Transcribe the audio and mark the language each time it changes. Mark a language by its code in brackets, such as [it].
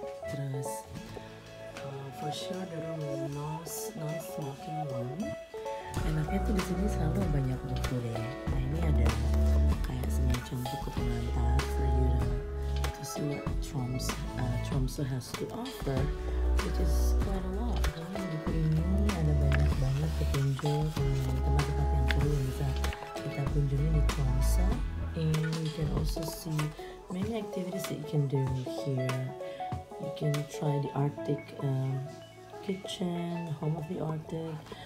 [id] Terus, [en] for sure the room is non-smoking room. [id] Enaknya tuh di sini selalu banyak buku deh. Nah ini ada kayak semacam buku pengantar [en] for you to see what Tromsø has to offer, which is quite a lot. [id] Karena buku ini ada banyak banget petunjuk mengenai tempat-tempat yang perlu yang bisa kita kunjungi di Tromsø. [en] And you can also see many activities that you can do here. You can try the Arctic kitchen, home of the Arctic.